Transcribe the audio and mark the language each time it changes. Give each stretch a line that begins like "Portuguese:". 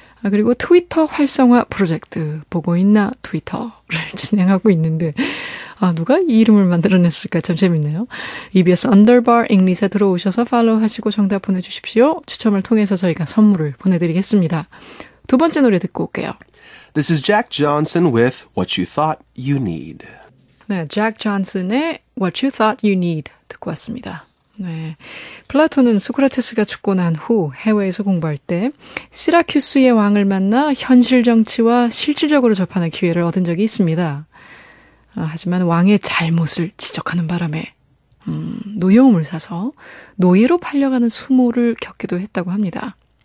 Korean: 그리고 트위터 활성화 프로젝트 보고 있나 트위터를 진행하고 있는데 누가 이 이름을 만들어냈을까 참 재밌네요. EBS 언더바 잉리스에 들어오셔서 팔로우하시고 정답 보내주십시오. 추첨을 통해서 저희가 선물을 보내드리겠습니다. 두 번째 노래 듣고 올게요.
English: This is Jack Johnson with What You Thought You Need.
Korean: 네, Jack Johnson의 What You Thought You Need 듣고 왔습니다. 네, 플라톤은 소크라테스가 죽고 난 후 해외에서 공부할 때 시라큐스의 왕을 만나 현실 정치와 실질적으로 접하는 기회를 얻은 적이 있습니다. 하지만 왕의 잘못을 지적하는 바람에 노여움을 사서 노예로 팔려가는 수모를 겪기도 했다고 합니다.